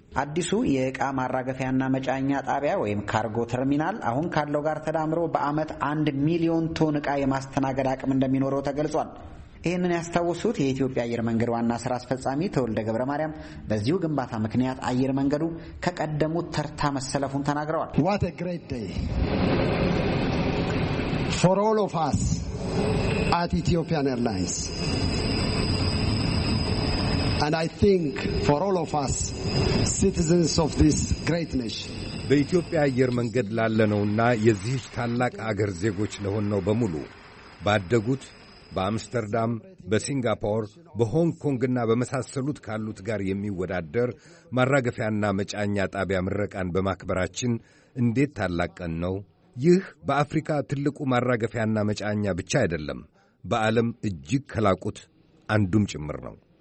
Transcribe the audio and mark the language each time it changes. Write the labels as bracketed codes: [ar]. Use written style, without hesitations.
[am] አዲሱ የእቃ ማራገፊያና መጫኛ ጣቢያ ወይም ካርጎ ተርሚናል አሁን ካለው ጋር ተዳምሮ በዓመት 1 ሚሊዮን ቶን እቃ የማስተናገድ አቅም እንደሚኖረው ተገልጿል። ይህንን ያስታወሱት የኢትዮጵያ አየር መንገድ ዋና ስራ አስፈጻሚ ተወልደ ገብረ ማርያም በዚሁ ግንባታ ምክንያት አየር መንገዱ ከቀደሙት ተርታ መሰለፉን ተናግረዋል። [en] What a great day for all of us at Ethiopian Airlines. And I think for all of us, citizens of this great nation. [am] በኢትዮጵያ አየር መንገድ ላለነውና የዚህች ታላቅ አገር ዜጎች ለሆነው በሙሉ ባደጉት በአምስተርዳም በሲንጋፖር በሆንግ ኮንግና በመሳሰሉት ካሉት ጋር የሚወዳደር ማራገፊያና መጫኛ ጣቢያ ምረቃን በማክበራችን እንዴት ታላቀን ነው። ይህ በአፍሪካ ትልቁ ማራገፊያና መጫኛ ብቻ አይደለም፣ በዓለም እጅግ ከላቁት አንዱም ጭምር ነው።